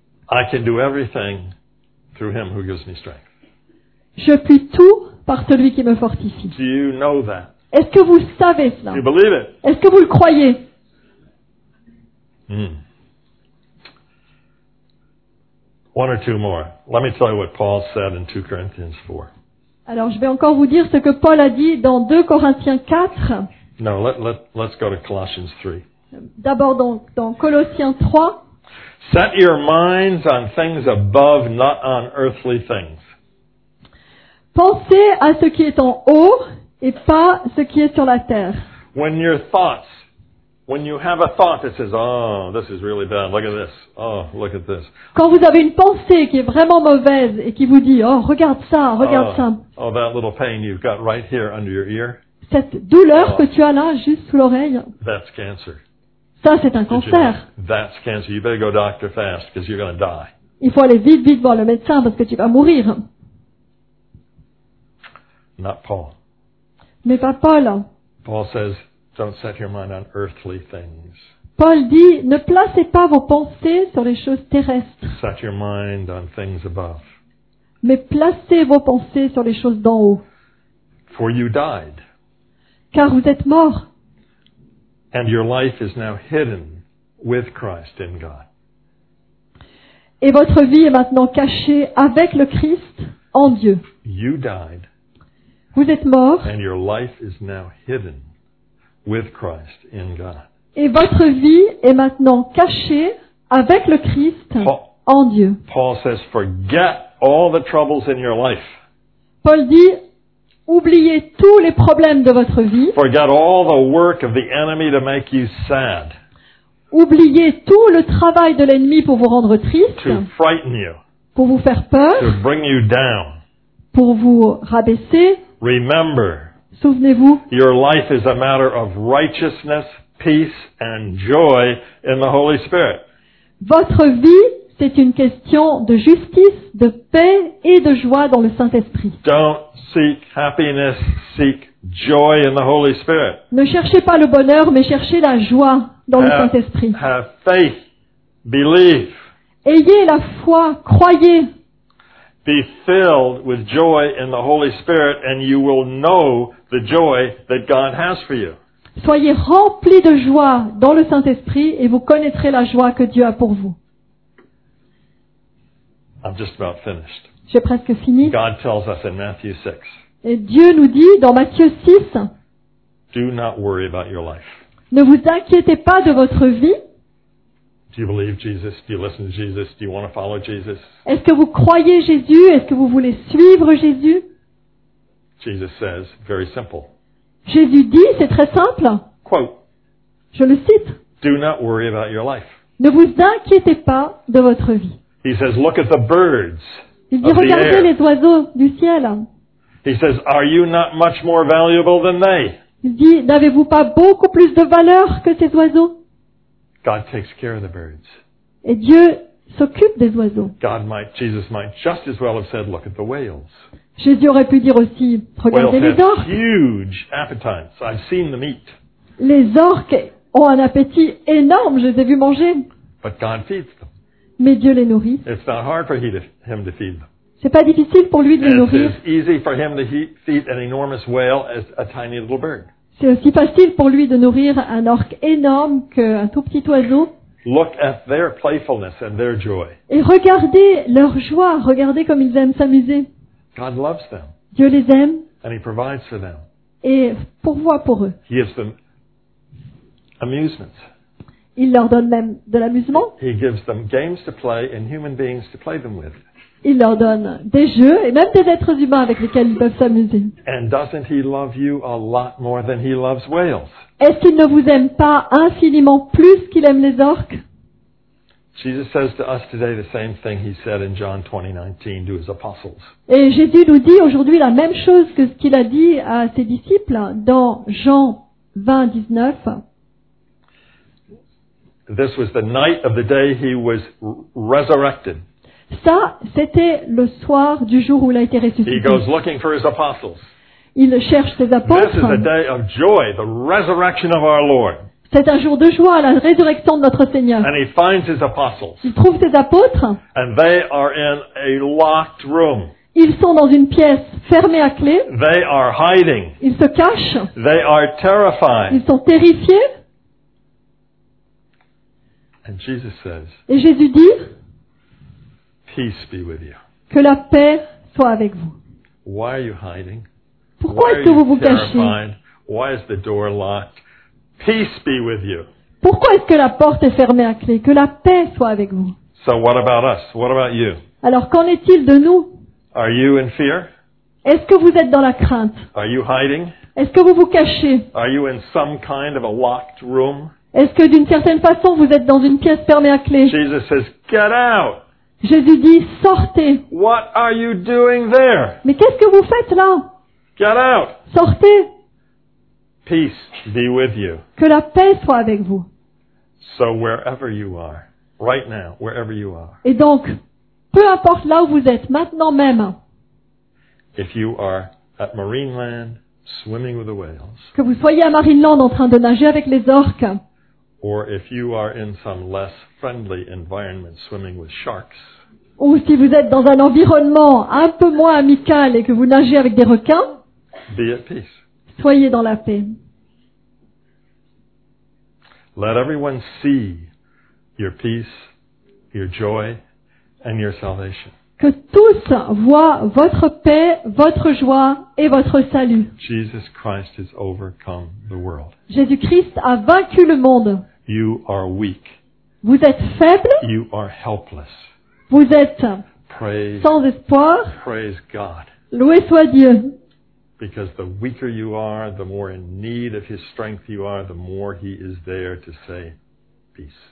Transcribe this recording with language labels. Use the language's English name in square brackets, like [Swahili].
[English] I can do everything through Him who gives me strength. [French] Je puis tout par celui qui me fortifie. [English] Do you know that? [French] Est-ce que vous savez cela? [English] Do you believe it? [French] Est-ce que vous le croyez? [English] One or two more. Let me tell you what Paul said in 2 Corinthians 4. [French] Alors, je vais encore vous dire ce que Paul a dit dans 2 Corinthiens 4. [English] No, let's go to Colossians 3. [French] D'abord dans Colossiens 3. [English] Set your minds on things above, not on earthly things. [French] Pensez à ce qui est en haut et pas ce qui est sur la terre. [English] When your thoughts, when you have a thought that says, oh, this is really bad, look at this, oh, look at this. [French] Quand vous avez une pensée qui est vraiment mauvaise et qui vous dit, oh, regarde ça, regarde ça. [English] Oh, that little pain you've got right here under your ear. [French] Cette douleur que tu as là, juste sous l'oreille. [English] That's cancer. [French] Ça, c'est un cancer. [English] That's cancer. You better go doctor fast because you're going to die. [French] Il faut aller vite, vite voir le médecin parce que tu vas mourir. [English] Not Paul. [French] Mais pas Paul. [English] Paul says, "Don't set your mind on earthly things." [French] Paul dit, ne placez pas vos pensées sur les choses terrestres. [English] Set your mind on things above. [French] Mais placez vos pensées sur les choses d'en haut. [English] For you died. [French] Car vous êtes mort. [English] And your life is now hidden with Christ in God. [French] Et votre vie est maintenant cachée avec le Christ en Dieu. [English] You died. [French] Vous êtes mort. [English] And your life is now hidden with Christ in God. [French] Et votre vie est maintenant cachée avec le Christ en Dieu. [English] Paul says, forget all the troubles in your life. [French] Paul dit, oubliez tous les problèmes de votre vie. [English] Forget all the work of the enemy to make you sad. [French] Oubliez tout le travail de l'ennemi pour vous rendre triste. [English] To frighten you. [French] Pour vous faire peur. [English] To bring you down. [French] Pour vous rabaisser. [English] Remember. [French] Souvenez-vous. [English] Your life is a matter of righteousness, peace and joy in the Holy Spirit. [French] Votre vie, c'est une question de justice, de paix et de joie dans le Saint-Esprit. [English] Don't seek happiness, seek joy in the Holy Spirit. [French] Ne cherchez pas le bonheur, mais cherchez la joie dans le Saint-Esprit. [English] Have faith, believe. [French] Ayez la foi, croyez. [English] Be filled with joy in the Holy Spirit and you will know the joy that God has for you. [French] Soyez remplis de joie dans le Saint-Esprit et vous connaîtrez la joie que Dieu a pour vous. [English] I'm just about finished. [French] J'ai presque fini. [English] God tells us in Matthew 6. [French] Et Dieu nous dit dans Matthieu 6. [English] Do not worry about your life. [French] Ne vous inquiétez pas de votre vie. [English] Do you believe Jesus? Do you listen to Jesus? Do you want to follow Jesus? [French] Est-ce que vous croyez Jésus? Est-ce que vous voulez suivre Jésus? [English] Jesus says, very simple. [French] Jésus dit, c'est très simple. [English] Quote. [French] Je le cite. [English] Do not worry about your life. [French] Ne vous inquiétez pas de votre vie. [English] He says, look at the birds. [French] Il dit, regardez les oiseaux du ciel. [English] He says, are you not much more valuable than they? [French] Il dit, n'avez-vous pas beaucoup plus de valeur que ces oiseaux? [English] God takes care of the birds. [French] Et Dieu s'occupe des oiseaux. [English] God might, Jesus might just as well have said, look at the whales. [French] Jésus aurait pu dire aussi, regardez les orques. [English] Whales have huge appetites. I've seen the meat. [French] Les orques ont un appétit énorme. Je les ai vus manger. [English] But God feeds them. [French] Mais Dieu les nourrit. [English] It's not hard for him to feed them. [French] C'est pas difficile pour lui de les nourrir. [English] It's easy for him to feed an enormous whale as a tiny little bird. [French] C'est aussi facile pour lui de nourrir un orque énorme qu'un tout petit oiseau. [English] Look at their playfulness and their joy. [French] Et regardez leur joie. Regardez comme ils aiment s'amuser. [English] God loves them. [French] Dieu les aime. [English] And he provides for them. [French] Et pourvoit pour eux. [English] He gives them amusements. [French] Il leur donne même de l'amusement. [English] He gives them games to play and human beings to play them with. [French] Il leur donne des jeux et même des êtres humains avec lesquels ils peuvent s'amuser. [English] And doesn't he love you a lot more than he loves whales? [French] Est-ce qu'il ne vous aime pas infiniment plus qu'il aime les orques? [English] Jesus says to us today the same thing he said in John 20:19 to his apostles. [French] Et Jésus nous dit aujourd'hui la même chose que ce qu'il a dit à ses disciples dans Jean 20:19. [English] This was the night of the day he was resurrected. [French] Ça, c'était le soir du jour où il a été ressuscité. [English] He goes looking for his apostles. [French] Il cherche ses apôtres. [English] This is a day of joy, the resurrection of our Lord. [French] C'est un jour de joie, la résurrection de notre Seigneur. [English] And he finds his apostles. [French] Il trouve ses apôtres. [English] And they are in a locked room. [French] Ils sont dans une pièce fermée à clé. [English] They are hiding. [French] Ils se cachent. [English] They are terrified. [French] Ils sont terrifiés. [English] And Jesus says, [French] et Jésus dit, [English] peace be with you. [French] Que la paix soit avec vous. [English] Why are you hiding? [French] Pourquoi est-ce que vous vous cachez? [English] Why is the door locked? Peace be with you. [French] Pourquoi est-ce que la porte est fermée à clé? Que la paix soit avec vous. [English] So what about us? What about you? [French] Alors qu'en est-il de nous? [English] Are you in fear? [French] Est-ce que vous êtes dans la crainte? [English] Are you hiding? [French] Est-ce que vous vous cachez? [English] Are you in some kind of a locked room? [French] Est-ce que d'une certaine façon vous êtes dans une pièce fermée à clé? [English] Jesus says, get out. [French] Jésus dit, sortez. [English] What are you doing there? [French] Mais qu'est-ce que vous faites là? [English] Get out. [French] Sortez. [English] Peace be with you. [French] Que la paix soit avec vous. [English] So wherever you are, right now, wherever you are. [French] Et donc, peu importe là où vous êtes, maintenant même. [English] If you are at Marineland, swimming with the whales. [French] Que vous soyez à Marineland en train de nager avec les orques. [English] Or if you are in some less friendly environment swimming with sharks. [French] Ou si vous êtes dans un environnement un peu moins amical et que vous nagez avec des requins. [English] Be at peace. [French] Soyez dans la paix. [English] Let everyone see your peace, your joy, and your salvation. [French] Que tous voient votre paix, votre joie et votre salut. [English] Jesus Christ has overcome the world. [French] Jésus-Christ a vaincu le monde. [English] You are weak. [French] Vous êtes faible. [English] You are helpless. [French] Vous êtes sans espoir. [English] Praise God. [French] Loué soit Dieu. [English] Because the weaker you are, the more in need of his strength you are, the more he is there to say peace.